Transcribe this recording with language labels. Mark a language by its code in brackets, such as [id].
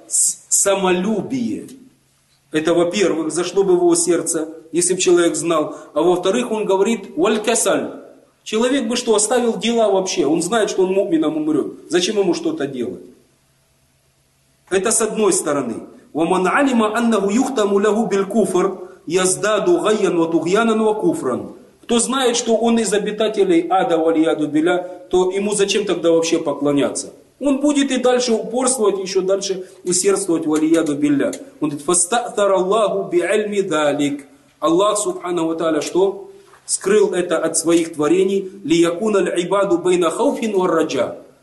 [ru] Самолюбие. Это, во-первых, зашло бы в его сердце, если бы человек знал. А во-вторых, он говорит, валькасаль. Человек бы что, оставил дела вообще? Он знает, что он мумином умрет. Зачем ему что-то делать? Это с одной стороны. [ar] ومن علم أنه يختم له بالكفر يزداد غيا وطغيانا وكفرا. [ru] Кто знает, что он из обитателей ада, валиядубиля, то ему зачем тогда вообще поклоняться? Он будет и дальше упорствовать, еще дальше усердствовать, валиядубиля. Он говорит, [ar] фастатар Аллаху биальми далик. [ru] Аллах, субханаху тааля, что? Скрыл это от своих творений. [ar] Лиякуна л'ибаду байна хауфин варраджа.